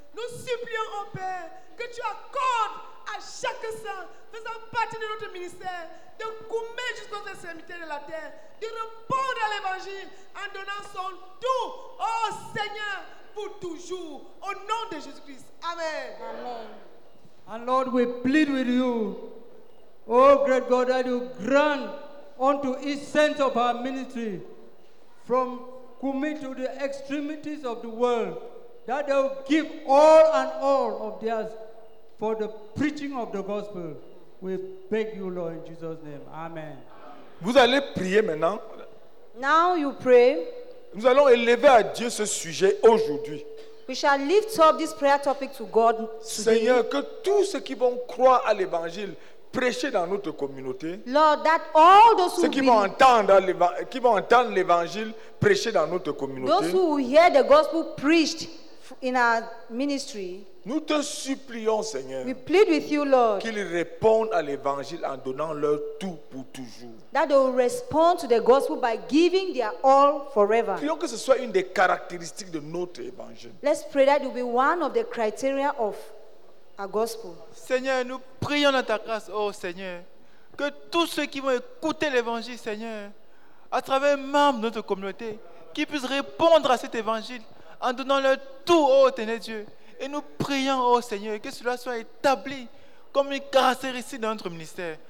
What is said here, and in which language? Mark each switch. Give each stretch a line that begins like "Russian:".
French: Nous supplions, oh Père, que tu accordes à chaque saint faisant partie de notre ministère de coumer jusqu'aux extrémités de la terre, de répondre à l'évangile en donnant son tout, oh Seigneur, pour toujours, au nom de Jésus-Christ. Amen. Amen.
English: And Lord, we plead with you, oh great God, that you grant unto each saint of our ministry from Kumi to the extremities of the world, that they will give all and all of theirs for the preaching of the gospel. We beg you, Lord, in Jesus' name. Amen.
French: Vous allez prier maintenant.
English: Now you pray.
French: Nous allons élever à Dieu ce sujet aujourd'hui.
English: We shall lift up this prayer topic to God today.
French: Seigneur, que tous ceux qui vont croire à l'évangile prêcher dans notre communauté.
English: Lord, that all those
French: ceux
English: who
French: qui vont entendre l'évangile prêcher dans notre communauté.
English: Those who hear the gospel preached in our ministry.
French: Nous te supplions, Seigneur.
English: We plead with you, Lord.
French: Qu'ils répondent à l'évangile en donnant leur tout pour toujours.
English: That they will respond to the gospel by giving their all forever.
French: Prions que ce soit une des caractéristiques de notre évangile.
English: Let's pray that it will be one of the criteria of our gospel.
French: Seigneur, nous prions dans ta grâce, oh Seigneur, que tous ceux qui vont écouter l'évangile, Seigneur, à travers membres de notre communauté, qui puissent répondre à cet évangile en donnant leur tout, oh Éternel Dieu. Et nous prions, oh Seigneur, que cela soit établi comme une caractéristique de notre ministère.